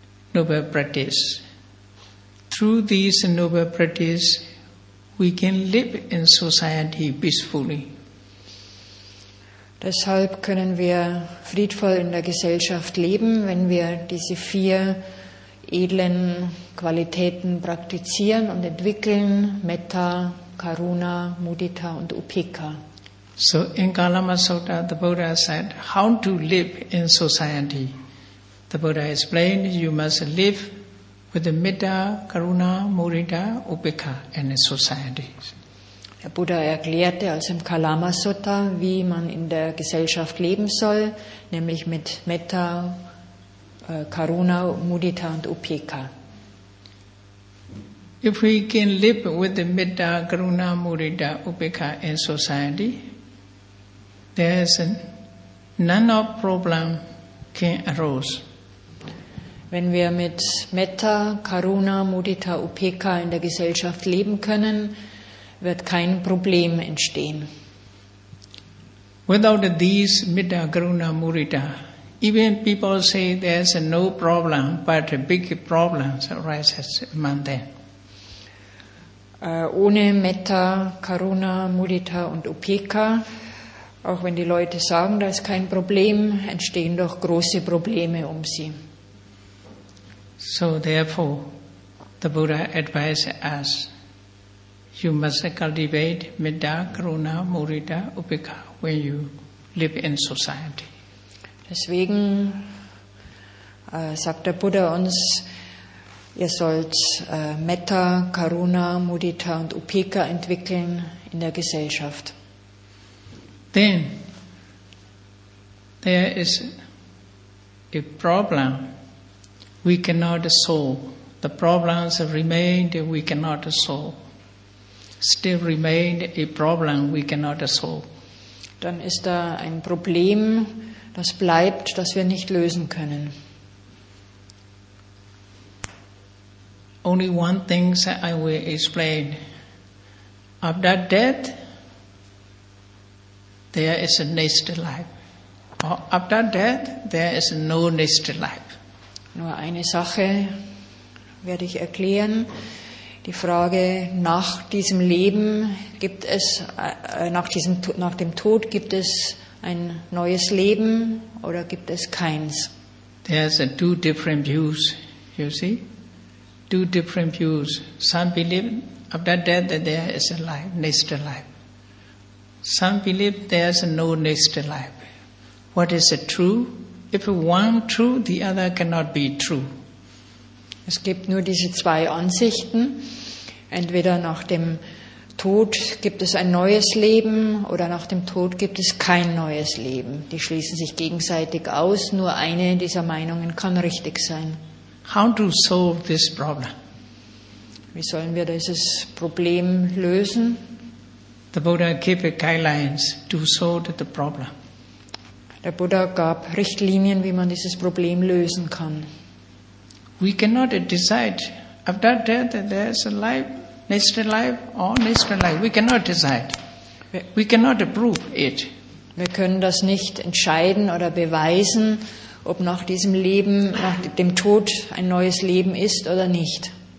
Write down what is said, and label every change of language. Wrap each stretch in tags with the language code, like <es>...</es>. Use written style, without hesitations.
<en>Through these noble practice, we can live in society peacefully.</en> <de>Deshalb können wir friedvoll in der Gesellschaft leben, wenn wir diese vier edlen Qualitäten praktizieren und entwickeln: Metta, Karuna, Mudita und Upekkha.</de> <en>So in Kalama Sutta, the Buddha said, how to live in society? The Buddha explained, you must live with the Metta, Karuna, Mudita, Upekkha in society.</en> <de>Der Buddha erklärte also im Kalama Sutta, wie man in der Gesellschaft leben soll, nämlich mit Metta, Karuna, Mudita und Upekkha.</de> <en>If we can live with the Metta, Karuna, Mudita, Upekkha in society, there is none of problem can arose.</en> <de>Wenn wir mit Metta, Karuna, Mudita, Upekkha in der Gesellschaft leben können, wird kein Problem entstehen.</de> <en>Without these Metta, Karuna, Mudita, even people say there's no problem, but big problems arise among them.</en> <de>Ohne Metta, Karuna, Mudita und Upekkha, auch wenn die Leute sagen, da ist kein Problem, entstehen doch große Probleme um sie.</de> <en>So therefore, the Buddha advised us, you must cultivate Metta, Karuna, Mudita, Upekkha when you live in society.</en> <de>Deswegen sagt der Buddha uns, ihr sollt Metta, Karuna, Mudita und Upekkha entwickeln in der Gesellschaft.</de> <en>Then there is a problem we cannot solve. The problems remained we cannot solve. Still remained a problem we cannot solve.</en> <de>Dann ist da ein Problem, das bleibt, das wir nicht lösen können.</de> <en>Only one thing I will explain. After death, there is a next life. Or after death, there is no next life.</en> <de>Nur eine Sache werde ich erklären. Die Frage, nach dem Tod gibt es ein neues Leben oder gibt es keins?</de> <en>There's two different views, you see? Two different views. Some believe after death that there is a life, next life. Some believe there is no next life. What is a true? If one true, the other cannot be true.</en> <de>Es gibt nur diese zwei Ansichten. Entweder nach dem Tod gibt es ein neues Leben oder nach dem Tod gibt es kein neues Leben. Die schließen sich gegenseitig aus. Nur eine dieser Meinungen kann richtig sein.</de> <en>How to solve this problem?</en> <de>Wie sollen wir dieses Problem lösen?</de> <en>The Buddha gave guidelines to solve the problem.</en> <de>Der Buddha gab Richtlinien, wie man dieses Problem lösen kann.</de> <en>We cannot decide after death that there's a life, next life or next life. We cannot decide. We cannot prove it.</en> <de>Wir können das nicht entscheiden oder beweisen, ob nach diesem Leben, nach dem Tod ein neues Leben ist oder nicht.</de>